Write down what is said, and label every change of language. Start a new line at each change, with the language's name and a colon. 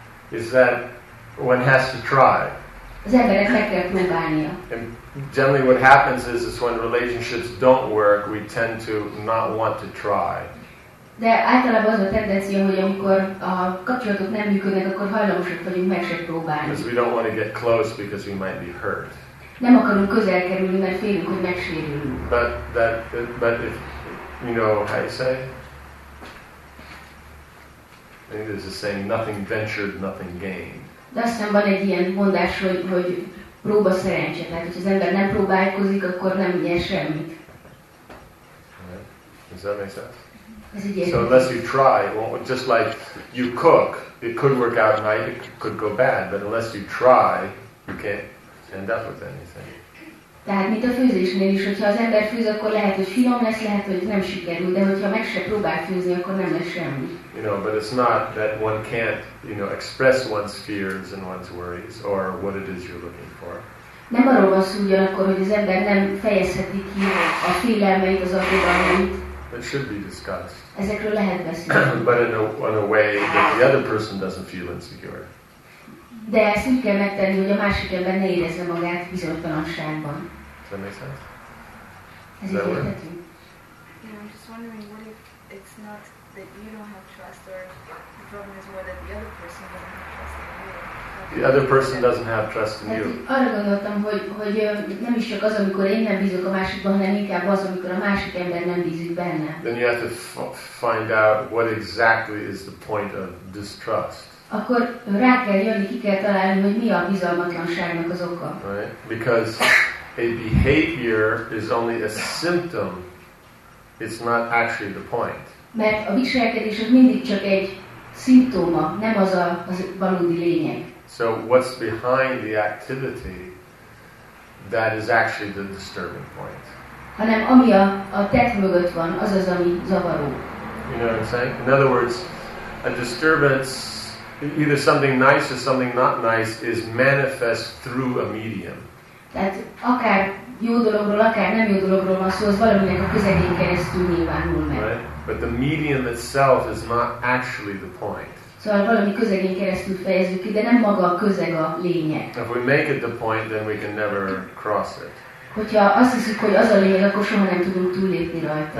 English: Is that one has to try? And generally what happens is when relationships don't work, we tend to not want to try.
Hungarian: De általában az a tendencia, hogy amikor a kapcsolatok nem működnek, akkor hajlamosak vagyunk meg se próbálni.
English: Because we don't want to get close because we might be hurt.
Hungarian: Nem akarunk közel kerülni, mert félünk, hogy megsérülünk.
English: But if, you know, how you say? I think there's a saying, nothing ventured, nothing gained.
Hungarian: De aztán van egy ilyen mondás, hogy próba szerencse. Tehát, hogy az ember nem próbálkozik, akkor nem nyer semmit.
English: Does that make sense? So unless you try, well, just like you cook, it could work out right, it could go bad, but unless you try, you can't end up with anything.
Hungarian: Tehát mint a főzésnél is, hogyha az ember főz, akkor lehet, hogy finom lesz, lehet, hogy nem sikerül, de hogyha meg se próbál főzni, akkor nem lesz semmi.
English: You know, but it's not that one can't, you know, express one's fears and one's worries or what it is you're looking for.
Hungarian: Nem arról van szó ugyanakkor, hogy az ember nem fejezheti ki a félelmeit, az aggodalmait.
English: It should be discussed.
Hungarian: Ezekről lehet beszélni.
English: But in a way that the other person doesn't feel insecure.
Hungarian: De ezt úgy kell megtenni, hogy a másik ember ne érezze magát bizonytalanságban.
English: Does that make sense?
Hungarian: Ez így érthető.
English: You know, I'm just wondering, what if it's not that you don't have trust, or the problem is more that the other person doesn't have trust in you? The other person doesn't have trust in you.
Hungarian: Arra gondoltam, hogy nem is csak az, amikor én nem bízok a másikban, hanem inkább az, amikor a másik ember nem bízik benne.
English: Then you have to find out what exactly is the point of distrust.
Hungarian: Akkor rá kell jönni, ki kell találni, hogy mi a bizalmatlanságnak az oka.
English: Right? Because a behavior is only a symptom. It's not actually the point.
Hungarian: Mert a viselkedés az mindig csak egy szimptoma, nem az a valódi lényeg.
English: So what's behind the activity that is actually the disturbing point?
Hungarian: Hanem ami a tett mögött van, az ami zavaró.
English: You know what I'm saying? In other words, a disturbance, either something nice or something not nice, is manifest through a medium.
Hungarian: Tehát akár jó dologról, akár nem jó dologról van szó, az valaminek a közegén keresztül nyilvánul meg.
English: Right? But the medium itself is not actually the point.
Hungarian: Szóval valami közegén keresztül fejezzük ki, de nem maga a közeg a lényeg.
English: If we make it the point, then we can never cross it.
Hungarian: Hogyha azt hiszük, hogy az a lényeg, akkor soha nem tudunk túllépni rajta.